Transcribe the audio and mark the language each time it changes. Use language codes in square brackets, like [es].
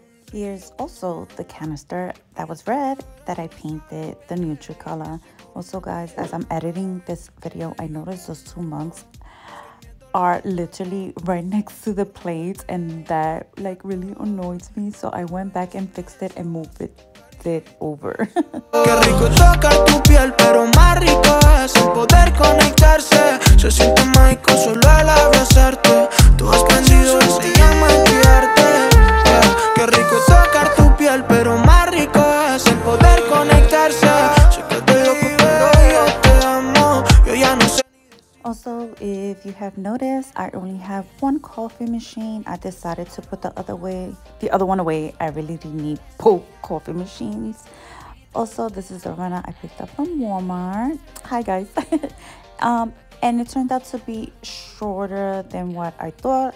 [en] Here's also the canister that was red that I painted the neutral color. Also, guys, as I'm editing this video, I noticed those two mugs are literally right next to the plates, and that like really annoyed me, so I went back and fixed it and moved it flipped it over. [es] Qué rico tocar tu piel, pero más rico es el poder conectarse. Se siente mágico solo al abrazarte. Tú has prendido y se llama guiarte. Qué rico tocar tu piel, pero más rico es el poder conectarse. Sé que estoy loco, pero yo te amo. Yo ya no sé. [en] Also, if you have noticed, I only have one coffee machine. I decided to put the other one away. I really didn't need both coffee machines. Also, this is the runner I picked up from Walmart. Hi guys. and it turned out to be shorter than what I thought.